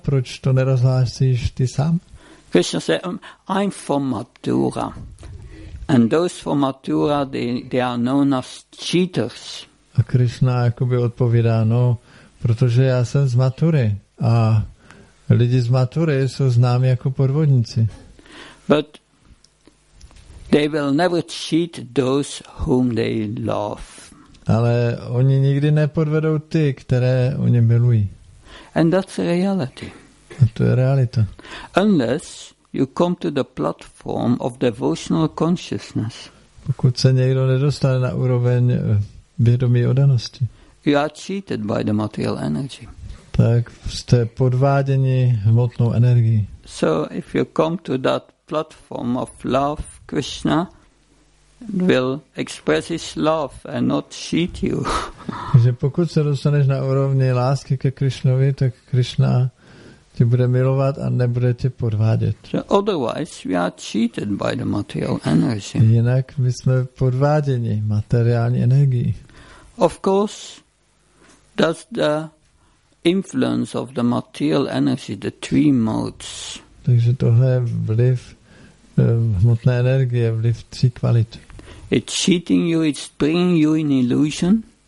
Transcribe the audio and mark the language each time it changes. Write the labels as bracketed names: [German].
[Czech] Proč to nerozhlásíš ty sám? [English] Krishna says, I'm from Mathura. And those from Mathura, they are known as cheaters. [Czech] A Krishna jakoby odpovídá, no, protože já jsem z Mathury a lidi z Mathury jsou známi jako podvodníci. [English] But they will never cheat those whom they love. [Czech] Ale oni nikdy nepodvedou ty, které oni milují. [English] And that's a reality. [Czech] A to je realita. [English] Unless you come to the platform of devotional consciousness. [Czech] Pokud se někdo nedostane na úroveň vědomí oddanosti. [English] You are cheated by the material energy. [Czech] Tak jste podváděni hmotnou energií. [English] So if you come to that platform of love, Krishna will express his love and not cheat you. [Czech] Že pokud se dostaneš na úrovni lásky ke Krišnovi, tak Krišna tě bude milovat a nebude tě podvádět. [English] So otherwise we are cheated by the material energy. [Czech] Jinak my jsme podváděni materiální energií. [English] Of course, does the influence of the material energy, the three modes. [Czech] Takže tohle je vliv hmotné energie, vliv tří kvalit. [English] It's cheating you, it's bringing you in illusion.